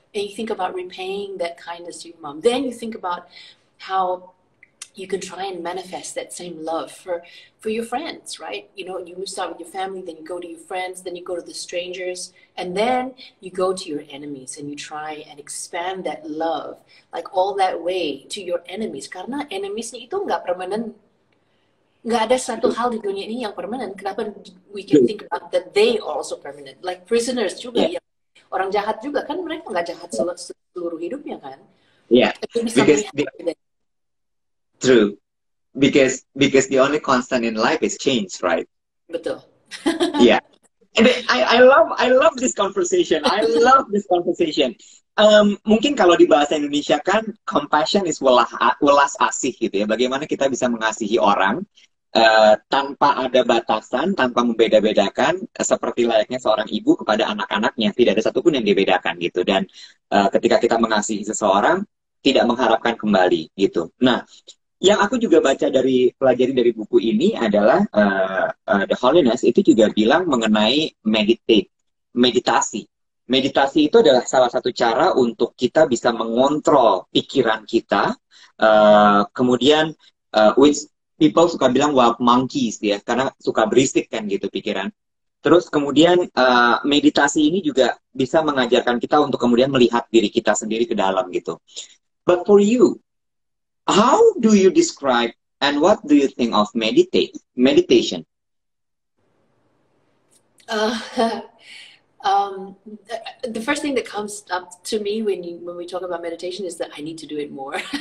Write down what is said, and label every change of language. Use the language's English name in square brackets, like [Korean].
[English] and you think about repaying that kindness to your mom. Then you think about how you can try and manifest that same love for your friends, right? You know, you start with your family, then you go to your friends, then you go to the strangers, and then you go to your enemies and you try and expand that love, like all that way to your enemies. [Indonesian] Karena enemiesnya itu nggak permanen. Nggak ada satu hal di dunia ini yang permanen. Kenapa [English] we can think about that they are also permanent? Like prisoners juga, yeah. [Indonesian] Yang orang jahat juga, kan mereka nggak jahat seluruh hidupnya, kan? [English] True, because the only constant in life is change, right? [Indonesian] Betul. [English] Yeah, and I love this conversation. I love this conversation. [Indonesian] Mungkin kalau di bahasa Indonesia kan [English] compassion is [Indonesian] welas asih gitu ya. Bagaimana kita bisa mengasihi orang tanpa ada batasan, tanpa membeda-bedakan, seperti layaknya seorang ibu kepada anak-anaknya, tidak ada satupun yang dibedakan gitu. Dan ketika kita mengasihi seseorang, tidak mengharapkan kembali gitu. Nah, yang aku juga baca dari pelajari dari buku ini adalah The Holiness itu juga bilang mengenai meditasi. Meditasi itu adalah salah satu cara untuk kita bisa mengontrol pikiran kita. Kemudian [English] which people [Indonesian] suka bilang [English] wild monkeys [Indonesian] ya, karena suka berisik kan gitu pikiran. Terus kemudian meditasi ini juga bisa mengajarkan kita untuk kemudian melihat diri kita sendiri ke dalam gitu. [English] But for you, how do you describe and what do you think of meditation? The first thing that comes up to me when we talk about meditation is that I need to do it more.